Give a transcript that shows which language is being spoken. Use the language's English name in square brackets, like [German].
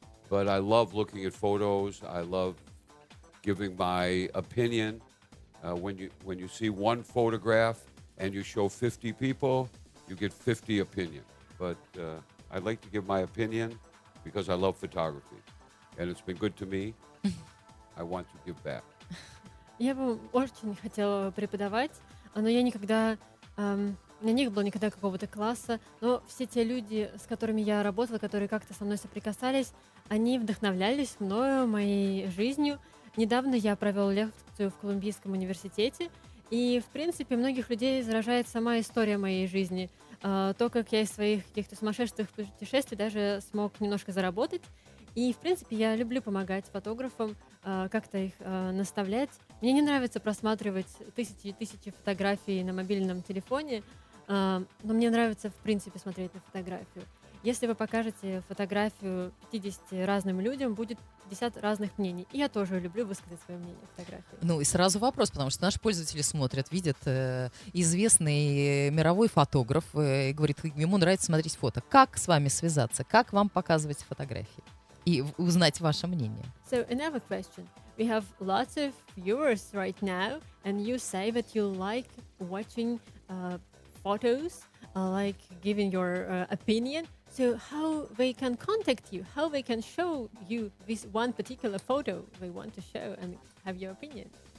[English] But I love looking at photos. I love giving my opinion. When you see one photograph and you show 50 people, you get 50 opinions. But I like to give my opinion because I love photography. And it's been good to me. I want to give back. [Russian] Я бы очень хотела преподавать, но я никогда У меня не было никогда какого-то класса, но все те люди, с которыми я работала, которые как-то со мной соприкасались, они вдохновлялись мною, моей жизнью. Недавно я провела лекцию в Колумбийском университете, и, в принципе, многих людей заражает сама история моей жизни. То, как я из своих каких-то сумасшедших путешествий даже смог немножко заработать. И, в принципе, я люблю помогать фотографам, как-то их наставлять. Мне не нравится просматривать тысячи и тысячи фотографий на мобильном телефоне, но мне нравится, в принципе, смотреть на фотографию. Если вы покажете фотографию 50 разным людям, будет 50 разных мнений. И я тоже люблю высказать свое мнение в фотографии. Ну и сразу вопрос, потому что наши пользователи смотрят, видят известный мировой фотограф и говорит, ему нравится смотреть фото. Как с вами связаться? Как вам показывать фотографии? И узнать ваше мнение. [English] So, another question. We have lots of viewers right now, and you say that you like watching photos, like giving your opinion. So how they can contact you? How they can show you this one particular photo they want to show and have your opinion?